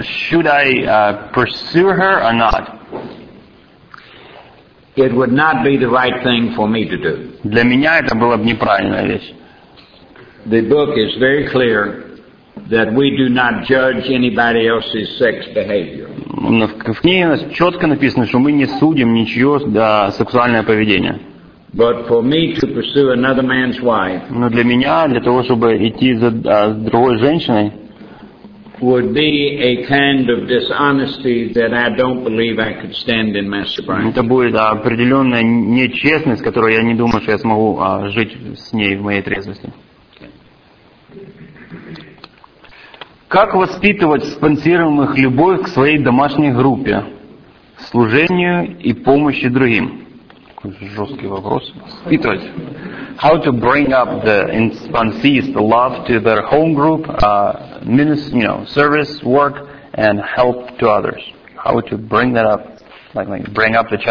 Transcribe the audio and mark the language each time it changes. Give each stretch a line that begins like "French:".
English: Should I pursue her or not? It would not be the right thing for me to do.
Russian: Для меня это было бы неправильная вещь.
English: The book is very clear that we do not judge anybody else's sex behavior.
Russian: В книге у нас четко написано, что мы не судим ничье сексуальное поведение.
English: But for me to pursue another man's wife.
Russian: Но для меня, для того, чтобы идти за другой женщиной,
English: would be a kind of dishonesty that I don't believe I could stand in my sobriety.
Russian: Это будет определенная нечестность, которую я не думаю, что я смогу жить с ней в моей трезвости. Как воспитывать спонсируемых любовь к своей домашней группе, служению и помощи другим? Жесткий вопрос. Воспитывать.
English: How to bring up the sponsees love to their home group, ministry, you know, service work and help to others. How to bring that up, like bring up the child.